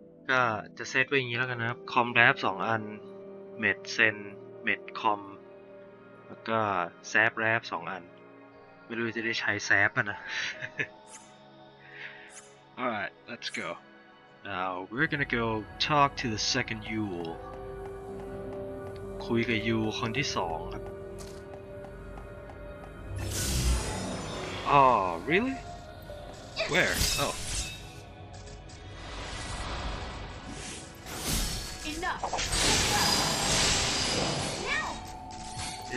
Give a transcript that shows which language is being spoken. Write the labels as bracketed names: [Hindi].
[Thai] ก็จะเซตไว้อย่างนี้แล้วกันนะครับคอมแรฟสองอันเม็ดเซนเม็ดคอมแล้วก็แซบแรฟสองอันไม่รู้จะได้ใช้แซบอ่ะนะ [English] Alright, let's go. Now we're gonna go talk to the second Yule. [Thai] คุยกับยูคนที่สองครับ [English] Oh, really? Where? Oh. Enough! Now!